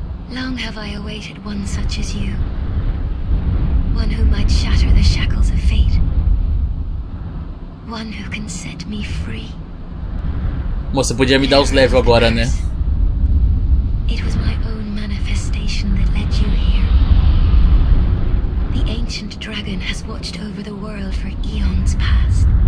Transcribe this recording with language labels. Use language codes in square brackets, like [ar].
[en] Long have I awaited one such as you. One who might shatter the shackles of fate. One who can set me free. [pt] Você podia me dar os level agora, né? [en] It was my own manifestation that led you here. The ancient dragon has watched over the world for eons past.